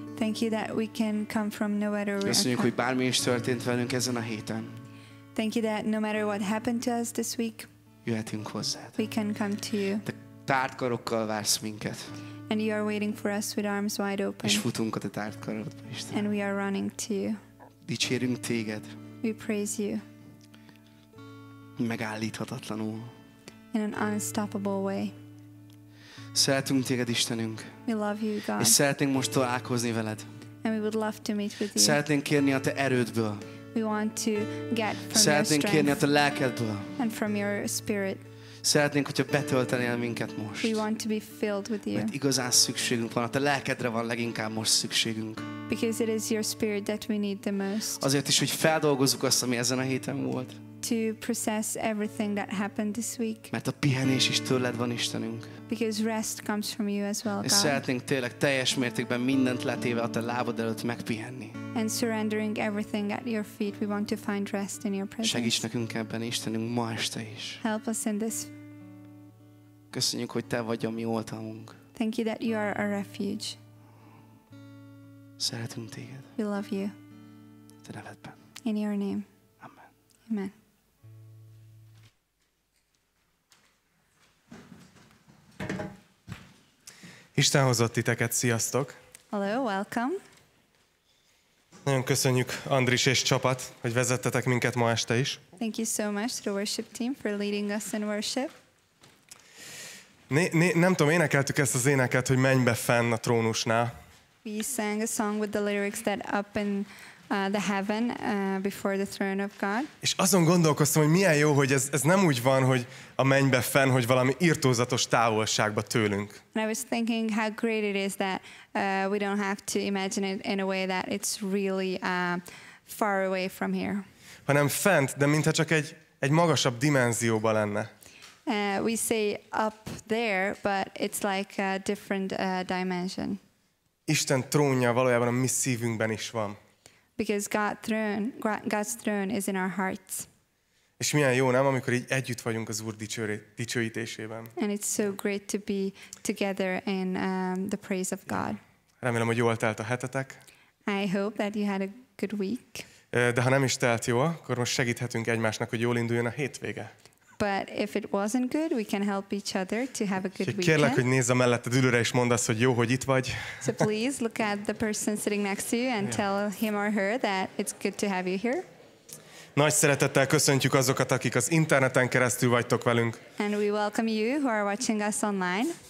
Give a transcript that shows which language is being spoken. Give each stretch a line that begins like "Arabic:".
English: Thank you that we can come from nowhere.
Hungarian: Köszönjük, hogy bármi is történt velünk ezen a héten.
English: Thank you that no matter what happened to us this week.
Hungarian: Jöhetünk hozzád.
English: We can come to you.
Hungarian: Te tárt karokkal vársz minket.
English: And you are waiting for us with arms wide open.
Hungarian: És futunk a te tárt karodba, Isten.
English: And we are running to you.
Hungarian: Dicsérünk téged.
English: We praise you.
Hungarian: Megállíthatatlanul.
English: In an unstoppable way.
Hungarian: Szeretünk téged, Istenünk.
English: We love you, God.
Hungarian: És szeretnénk most találkozni veled.
English: And we would love to meet with you.
Hungarian: Szeretnénk kérni a te erődből.
English: We want to get from your strength.
Hungarian: Szeretnénk kérni a te lelkedből.
English: And from your spirit.
Hungarian: Szeretnénk, hogyha betöltenél minket most.
English: We want to be filled with you.
Hungarian: Mert igazán szükségünk van, a te lelkedre van leginkább most szükségünk.
English: Because it is your spirit that we need the most.
Hungarian: Azért is, hogy feldolgozzuk azt, ami ezen a héten volt.
English: To process everything that happened this week.
Hungarian: Mert a pihenés is tőled van, Istenünk.
English: Because rest comes from you as well, God.
Hungarian: És szeretnénk tényleg teljes mértékben mindent letéve a te lábad előtt megpihenni.
English: And surrendering everything at your feet, we want to find rest in your presence.
Hungarian: Segíts nekünk ebben, Istenünk, ma este is.
English: Help us in this.
Hungarian: Köszönjük, hogy te vagy a mi oltalmunk.
English: Thank you that you are our refuge.
Hungarian: Szeretünk téged.
English: We love you.
Hungarian: Te nevedben.
English: In your name.
Hungarian: Amen.
English: Amen.
Hungarian: Isten hozott titeket, sziasztok!
English: Hello, welcome!
Hungarian: Nagyon köszönjük Andris és csapat, hogy vezettetek minket ma este is.
English: Thank you so much to the worship team for leading us in worship.
Hungarian: Nem tudom, énekeltük ezt az éneket, hogy menj be fenn a trónusnál.
English: We sang a song with the lyrics that up in the heaven, before the throne of God.
Hungarian: És azon gondolkoztam, hogy milyen jó, hogy ez nem úgy van, hogy a mennybe fenn, hogy valami irtózatos távolságba tőlünk.
English: And I was thinking how great it is that we don't have to imagine it in a way that it's really far away from here.
Hungarian: Hanem fent, de mintha csak egy magasabb dimenzióba lenne.
English: We say up there, but it's like a different dimension.
Hungarian: Isten trónja valójában a mi szívünkben is van.
English: Because God's throne is in our hearts.
Hungarian: És milyen jó, nem, amikor így együtt vagyunk az Úr dicsőítésében.
English: And it's so great to be together in the praise of God.
Hungarian: Remélem, hogy jól telt a hetetek.
English: I hope that you had a good week.
Hungarian: De ha nem is telt jó, akkor most segíthetünk egymásnak, hogy jól induljon a hétvége.
English: But if it wasn't good, we can help each other to have a good weekend.
Hungarian: Kérlek, hogy nézz a melletted ülőre és mondd azt, hogy jó, hogy itt vagy.
English: So please look at the person sitting next to you and tell him or her that it's good to have you here.
Hungarian: Nagy szeretettel köszöntjük azokat, akik az interneten keresztül vagytok velünk.
English: And we welcome you who are watching us online.